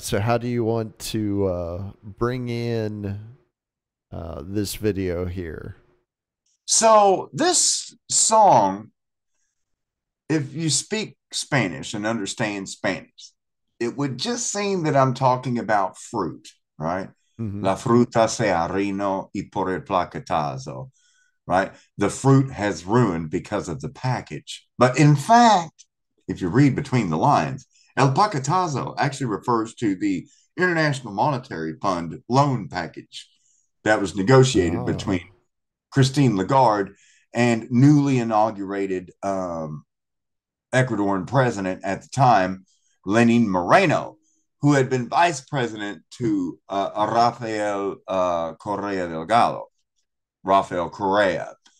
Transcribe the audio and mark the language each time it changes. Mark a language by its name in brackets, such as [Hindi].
[English] So how do you want to bring in this video here? So this song, if you speak Spanish and understand Spanish, it would just seem that I'm talking about fruit, right? Mm-hmm. [Spanish] La fruta se arruinó y por el paquetazo, right? [English] The fruit has ruined because of the package. But in fact, if you read between the lines, el paquetazo actually refers to the International Monetary Fund loan package that was negotiated between Christine Lagarde and newly inaugurated Ecuadorian president at the time, Lenin Moreno, who had been vice president to Rafael Correa Delgado, Rafael Correa.